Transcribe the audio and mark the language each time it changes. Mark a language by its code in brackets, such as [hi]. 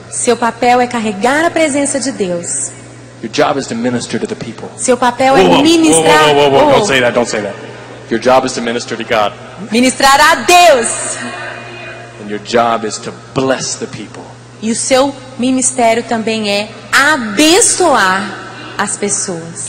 [pt] Seu papel é carregar a presença de Deus. [en] Your job is to minister to the people. [pt] Seu papel é ministrar. [en] Whoa. Don't say that. Don't say that. Your job is to minister to God. [pt] Ministrar a Deus. [en] And your job is to bless the people. [pt] E o seu ministério também é abençoar as pessoas.